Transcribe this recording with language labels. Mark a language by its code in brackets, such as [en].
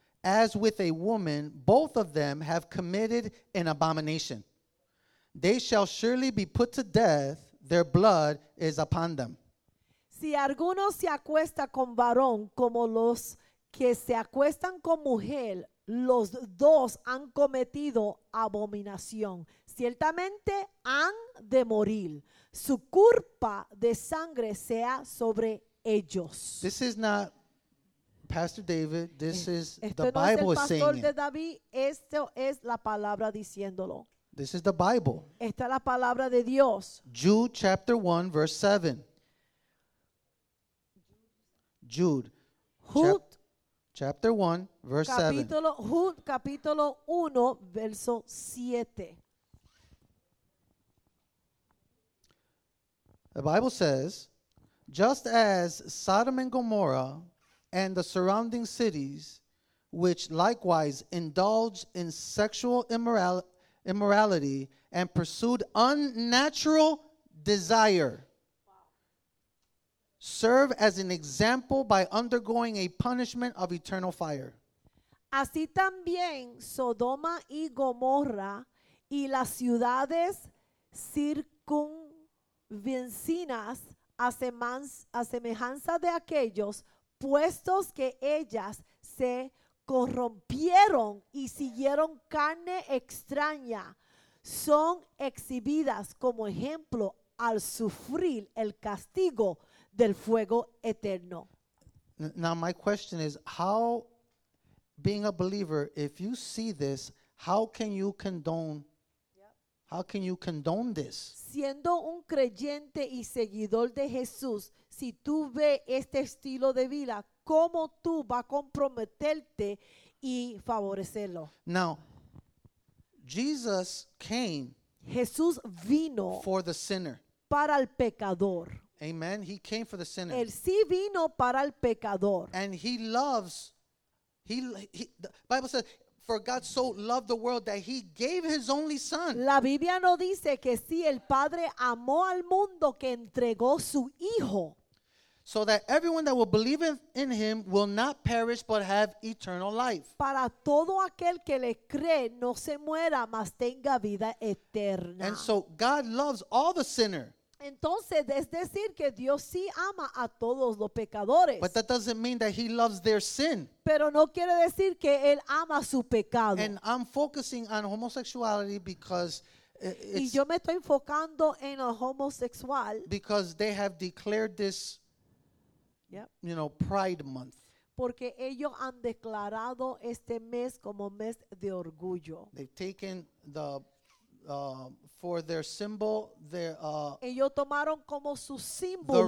[en] as with a woman, both of them have committed an abomination. They shall surely be put to death. Their blood is upon them. [es] Si alguno se acuesta con varón, como los que se acuestan con mujer, los dos han cometido abominación. Ciertamente han de morir. Su culpa de sangre sea sobre ellos. [en] This is not Pastor David. This is the [es] no [en] Bible [es] es [en] saying [es] de David. [en] It. [es] Esto es la palabra diciéndolo. [en] This is the Bible. [es] Esta es la palabra de Dios. [en] Jude chapter 1 verse 7. Jude. Chapter 1 verse 7. [es] Jude capítulo 1 verso 7. [en] The Bible says, just as Sodom and Gomorrah and the surrounding cities, which likewise indulged in sexual immorality and pursued unnatural desire, serve as an example by undergoing a punishment of eternal fire. [es] Así también Sodoma y Gomorra y las ciudades circunvecinas a semejanza de aquellos, puestos que ellas se corrompieron y siguieron carne extraña, son exhibidas como ejemplo al sufrir el castigo del fuego eterno. [en] Now my question is, how, being a believer, if you see this, how can you condone? How can you condone this? [es] Siendo un creyente y seguidor de Jesús, si tú ves este estilo de vida, ¿cómo tú vas a comprometerte y favorecerlo? [en] Now, Jesus came. [es] Jesús vino [en] for the sinner. [es] Para el pecador. [en] Amen. He came for the sinner. [es] Él sí vino para el pecador. [en] And he loves. The Bible says, for God so loved the world that he gave his only son. [es] La Biblia no dice que si el Padre amó al mundo que entregó su hijo. [en] So that everyone that will believe in him will not perish but have eternal life. [es] Para todo aquel que le cree no se muera mas tenga vida eterna. [en] And so God loves all the sinner. [es] Entonces, es decir que Dios sí ama a todos los pecadores. [en] But that doesn't mean that he loves their sin. [es] Pero no quiere decir que él ama su pecado. [en] And I'm focusing on homosexuality because it's, [es] y yo me estoy enfocando en el homosexual, [en] because they have declared this, you know, Pride Month. [es] Porque ellos han declarado este mes como mes de orgullo. [en] They've taken the for their symbol, their [es] ellos tomaron como su símbolo